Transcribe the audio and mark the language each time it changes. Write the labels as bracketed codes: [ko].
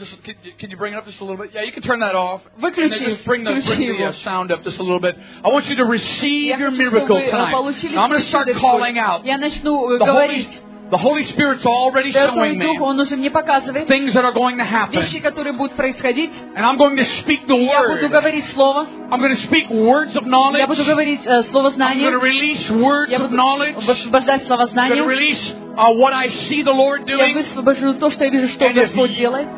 [en] Just can you bring it up just a little bit? Yeah, you can turn that off. [ru] Выключи, [en] and then just bring the sound up just a little bit. I want you to receive your miracle tonight. I'm going to start calling out. [ru] Я начну говорить. [en] The Holy Spirit's already showing me things that are going to happen. [ru] Вещи, которые будут происходить. [en] And I'm going to speak the word. [ru] Я буду говорить слово. [en] I'm going to speak words of knowledge. [ru] Я буду говорить слово знания. [en] I'm going to release words of knowledge. [ru] Я буду высвобождать слово знания. [en] I'm going to release what I see the Lord doing. [ru] Я высвобожу то, что я вижу, что Господь делает.